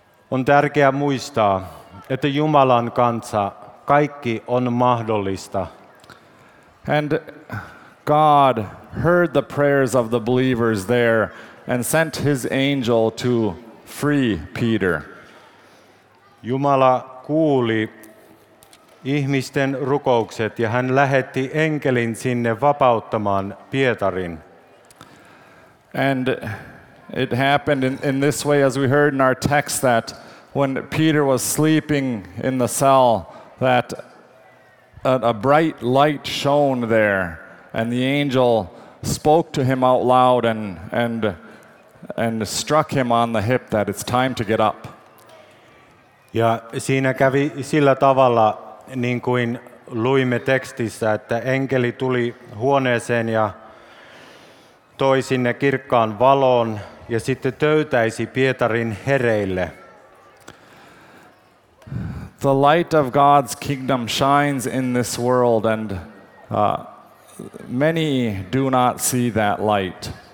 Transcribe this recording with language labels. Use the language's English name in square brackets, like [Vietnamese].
[Finnish] On tärkeää muistaa, että Jumalan kanssa kaikki on mahdollista. [English] And God heard the prayers of the believers there and sent his angel to free Peter. [Finnish] Jumala kuuli ihmisten rukoukset ja hän lähetti enkelin sinne vapauttamaan Pietarin. [English] And it happened in this way, as we heard in our text, that when Peter was sleeping in the cell, that a bright light shone there, and the angel spoke to him out loud and struck him on the hip that it's time to get up. [Finnish] Ja siinä kävi sillä tavalla, niin kuin luimme tekstissä, että enkeli tuli huoneeseen ja toi sinne kirkkaan valon ja sitten töytäisi Pietarin hereille. [English] The light of God's kingdom shines in this world and many do not see that light.